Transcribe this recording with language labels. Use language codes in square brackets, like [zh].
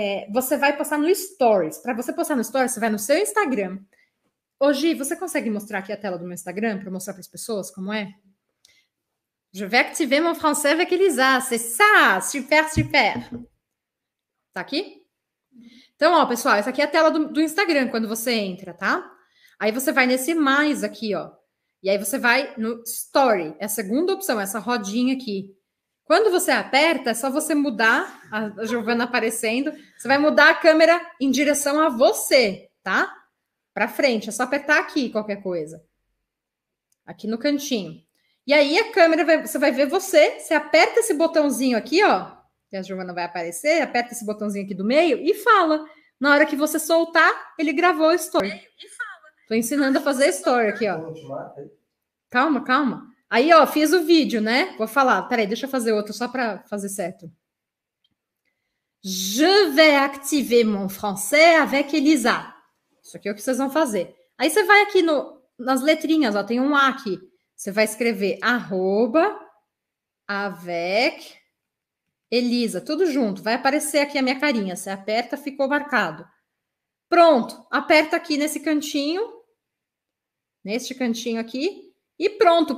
[pt] Você vai postar no Stories. Para você postar no Stories, você vai no seu Instagram. Ô, Gi, você consegue mostrar aqui a tela do meu Instagram para mostrar para as pessoas como é? [fr] Je vais activer mon français avec Elisa. C'est ça! Super, super! [pt] Tá aqui? Então, ó, pessoal, essa aqui é a tela do Instagram quando você entra, tá? Aí você vai nesse mais aqui, ó. E aí você vai no Story. É a segunda opção, essa rodinha aqui. Quando você aperta, é só você mudar a Giovana aparecendo. Você vai mudar a câmera em direção a você, tá? Pra frente, é só apertar aqui qualquer coisa. Aqui no cantinho. E aí a câmera, você vai ver você. Você aperta esse botãozinho aqui, ó. E a Giovana vai aparecer. Aperta esse botãozinho aqui do meio e fala. Na hora que você soltar, ele gravou a story. E fala. Tô ensinando a fazer story aqui, ó. Calma, calma. Aí, ó, fiz o vídeo, né? Vou falar. Peraí, deixa eu fazer outro só para fazer certo. [fr] Je vais activer mon français avec Elisa. [pt] Isso aqui é o que vocês vão fazer. Aí você vai aqui no, nas letrinhas, ó, tem um A aqui. Você vai escrever arroba avec Elisa, tudo junto. Vai aparecer aqui a minha carinha. Você aperta, ficou marcado. Pronto. Aperta aqui nesse cantinho. Neste cantinho aqui. E pronto.